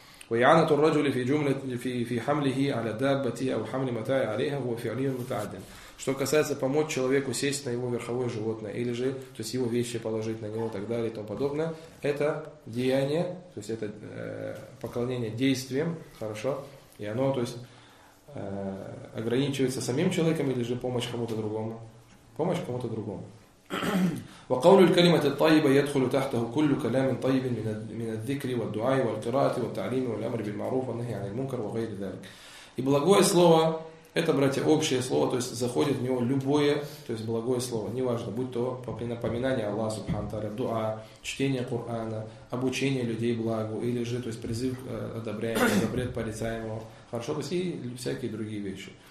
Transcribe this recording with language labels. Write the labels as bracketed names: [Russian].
[Russian] То есть, что касается помочь человеку сесть на его верховое животное, или же, то есть его вещи положить на него и так далее и тому подобное, это деяние, то есть это поклонение действием, хорошо, и оно, то есть ограничивается самим человеком или же помощь кому-то другому. Помощь кому-то другому. [Arabic] وقول الكلمة الطيبة يدخل تحته كل كلام طيب من الذكر والدعاء والقراءة والتعليم والأمر بالمعروف والنهي عن المنكر وغير ذلك. [Russian] И благое слово, это, братья, общее слово, то есть заходит в него любое, то есть благое слово, неважно, будь то напоминание Аллаха субхана тааля, дуа, чтение Корана, обучение людей благу, или же, то есть призыв одобряемого, запрет порицаемого, хорошо, то есть и всякие другие вещи.